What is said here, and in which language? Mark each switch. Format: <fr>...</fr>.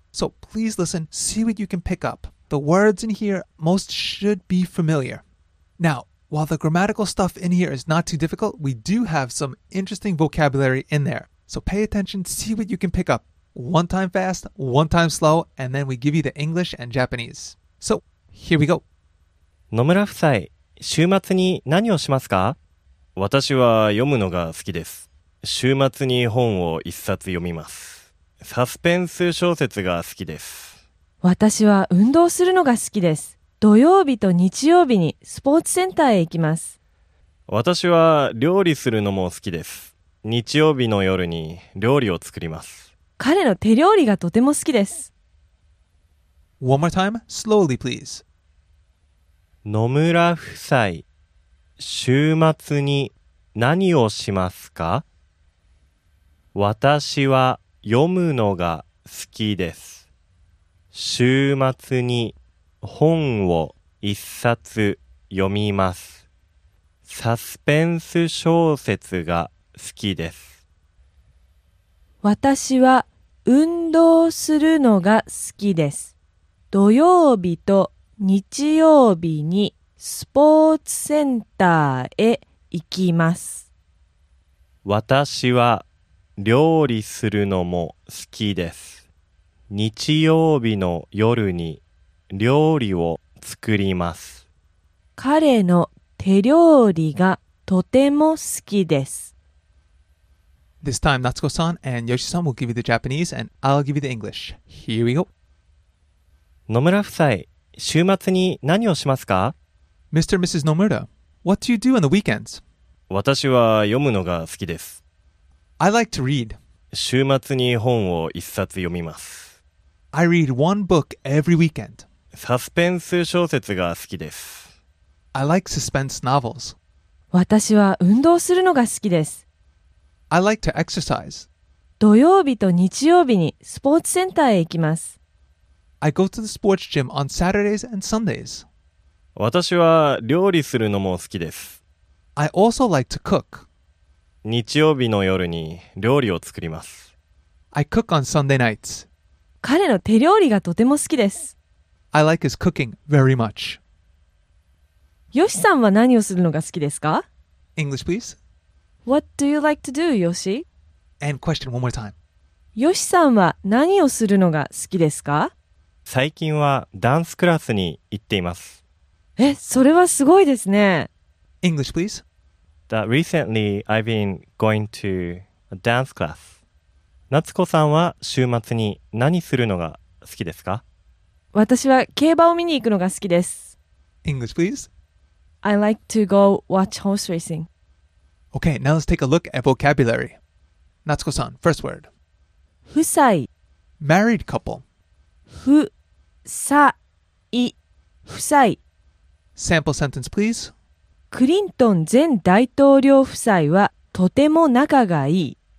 <en>So, please listen, see what you can pick up. The words in here most should be familiar. Now, while the grammatical stuff in here is not too difficult, we do have some interesting vocabulary in there. So pay attention, see what you can pick up. One time fast, one time slow, and then we give you the English and Japanese. So, here we go.</en> <ja>野村夫妻、週末に何をしますか？私は読むのが好きです。週末に本を一冊読みます。サスペンス小説が好きです。私は運動するのが好きです。土曜日と日曜日にスポーツセンターへ行きます。私は料理するのも好きです。日曜日の夜に料理を作ります。彼の手料理がとても好きです。</ja> <en>One more time, slowly please.</en> <ja>野村夫妻、週末に何をしますか？私は読むのが好きです。週末に本を一冊読みます。サスペンス小説が好きです。私は運動するのが好きです。土曜日と日曜日にスポーツセンターへ行きます。私は料理するのも好きです。日曜日の夜に料理を作ります。彼の手料理がとても好きです。</ja> <en>This time, Natsuko-san and Yoshi-san will give you the Japanese and I'll give you the English. Here we go.</en> <ja>野村夫妻、週末に何をしますか？</ja> <en>Mr. and Mrs. Nomura, what do you do on the weekends?</en> <ja>私は読むのが好きです。</ja> <en>I like to read.</en> <ja>週末に本を一冊読みます。</ja> <en>I read one book every weekend.</en> <ja>サスペンス小説が好きです。</ja> <en>I like suspense novels.</en> <ja>私は運動するのが好きです。</ja> <en>I like to exercise.</en> <ja>土曜日と日曜日にスポーツセンターへ行きます。</ja> <en>I go to the sports gym on Saturdays and Sundays.</en> <ja>私は料理するのも好きです。</ja> <en>I also like to cook.</en> <ja>日曜日の夜に料理を作ります。</ja> <en>I cook on Sunday nights.</en> <ja>彼の手料理がとても好きです。</ja> <en>I like his cooking very much.</en> <ja>ヨシさんは何をするのが好きですか？</ja> <en>English, please. What do you like to do, Yoshi? And question one more time.</en> <ja>ヨシさんは何をするのが好きですか？最近はダンスクラスに行っています。え、それはすごいですね。</ja> <en>English, please. That recently I've been going to a dance class.</en> <ja>夏子さんは週末に何するのが好きですか？私は競馬を見に行くのが好きです。</ja> <en>English, please. I like to go watch horse racing. Okay, now let's take a look at vocabulary. Natsuko-san, first word.</en> <ja>Fusai.</ja> <en>Married couple.</en> <ja>Fusai. Fusai.</ja> <en>Sample sentence, please.</en> <ja>クリントン前大統領夫妻はとても仲がいい。</ja>